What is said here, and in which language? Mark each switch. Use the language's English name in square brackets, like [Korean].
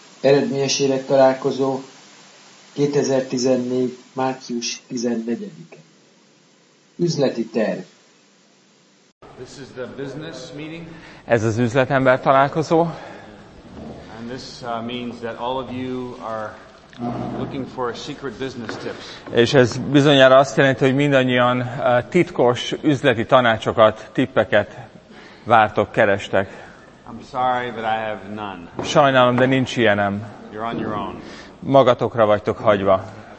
[Hungarian] eredményes évek találkozó 2014. március 14-e. Üzleti terv. [English] This is the business meeting. [Hungarian] Ez az üzletember találkozó. [English] And this means that all of you are looking for secret business tips. [Hungarian] És ez bizonyára azt jelenti, hogy mindannyian titkos üzleti tanácsokat, tippeket vártok, kerestek. [English] I'm sorry, but I have none. [Hungarian] Sajnálom, de nincs ilyenem. [English] You're on your own. [Hungarian] Magatokra vagytok hagyva.